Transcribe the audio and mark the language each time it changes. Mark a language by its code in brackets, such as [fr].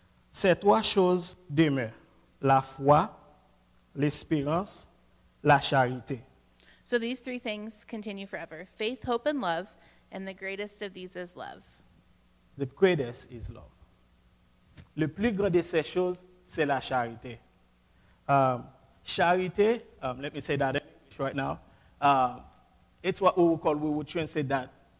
[fr] Ces trois choses demeurent, la foi, l'espérance, la charité. [en] So these three things continue forever, faith, hope, and love, and the greatest of these is love. The greatest is love. [fr] Le plus grand de ces choses, c'est la charité. [en] Charité, let me say that in English right now, it's what we would translate that.